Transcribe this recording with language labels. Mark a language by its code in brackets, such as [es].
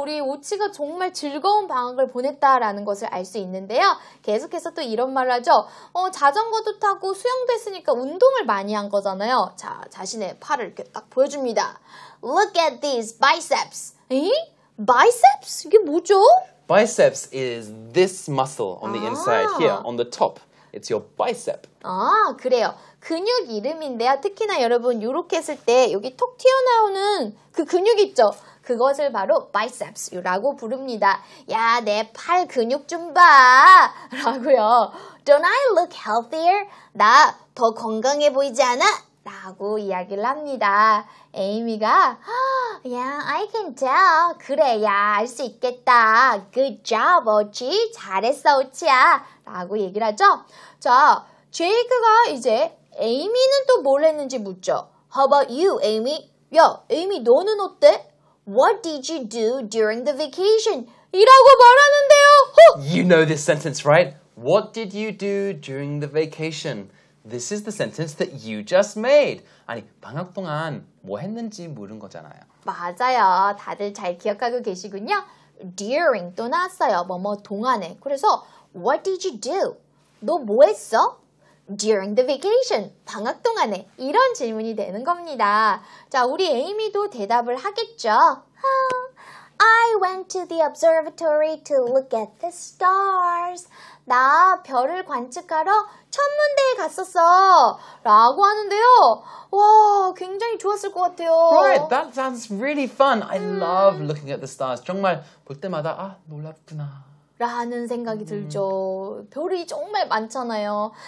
[ko] 우리 오치가 정말 즐거운 방학을 보냈다라는 것을 알 수 있는데요. 계속해서 또 이런 말을 하죠. 자전거도 타고 수영도 했으니까 운동을 많이 한 거잖아요. 자, 자신의 팔을 이렇게 딱 보여줍니다. [en] Look at these biceps. [ko] 에이? Biceps? 이게 뭐죠? [en] Biceps is this muscle on the inside here, on the top. It's your bicep. [ko] 아, 그래요. 근육 이름인데요. 특히나 여러분, 이렇게 했을 때 여기 톡 튀어나오는 그 근육 있죠? 그것을 바로 biceps라고 부릅니다. 야, 내 팔 근육 좀 봐! 라고요. [en] Don't I look healthier? [ko] 나 더 건강해 보이지 않아? 라고 이야기를 합니다. 에이미가 [en] Yeah, I can tell. [ko] 그래, 야, 알 수 있겠다. [en] Good job, Ochi. [ko] 잘했어, Ochi야. 라고 얘기를 하죠. 자, 제이크가 이제 에이미는 또 뭘 했는지 묻죠. [en] How about you, Amy? [ko] 야, 에이미, 너는 어때? [en] What did you do during the vacation? [ko] 이라고 말하는데요. [en] You know this sentence, right? What did you do during the vacation? This is the sentence that you just made. [ko] 아니, 방학 동안 뭐 했는지 물은 거잖아요. 맞아요. 다들 잘 기억하고 계시군요. During 또 나왔어요. 뭐뭐 동안에. 그래서 [en] What did you do? [ko] 너 뭐 했어? [en] During the vacation. [ko] 방학 동안에. 이런 질문이 되는 겁니다. 자, 우리 에이미도 대답을 하겠죠. [en] I went to the observatory to look at the stars. [ko] 나 별을 관측하러 천문대에 갔었어. 라고 하는데요. 와, 굉장히 좋았을 것 같아요. [en] Right, that sounds really fun. I love looking at the stars. [ko] 정말 볼 때마다 아, 놀랍구나. 라는 생각이 들죠. 별이 정말 많잖아요.